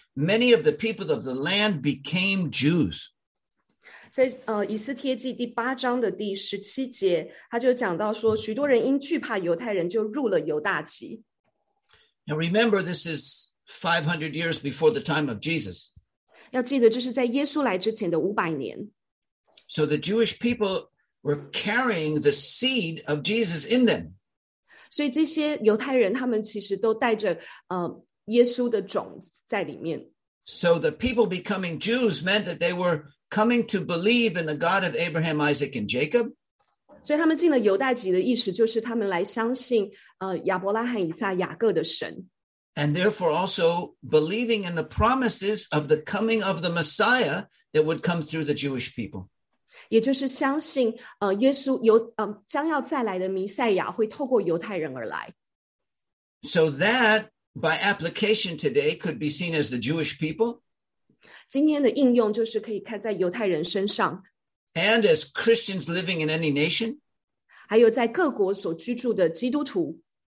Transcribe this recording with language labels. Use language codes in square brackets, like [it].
[en] Many of the people of the land became Jews. [zh] 在以斯帖记第八章的第十七节, 他就讲到说, 许多人因惧怕犹太人就入了犹大旗。 [en] Now remember, this is 500 years before the time of Jesus. [zh] 要记得这是在耶稣来之前的500年。 [en] So the Jewish people were carrying the seed of Jesus in them. [zh] 所以这些犹太人他们其实都带着, 耶稣的种在里面。 [en] So the people becoming Jews meant that they were coming to believe in the God of Abraham, Isaac, and Jacob. [zh] 所以他们进了犹大籍的意思就是他们来相信, 亚伯拉罕以撒雅各的神。 [en] And therefore also believing in the promises of the coming of the Messiah that would come through the Jewish people. [zh] 也就是相信, 耶稣将要再来的弥赛亚会透过犹太人而来。 [en] So that by application today could be seen as the Jewish people. [zh] 今天的应用就是可以看在犹太人身上。 [en] And as Christians living in any nation. [zh] 还有在各国所居住的基督徒。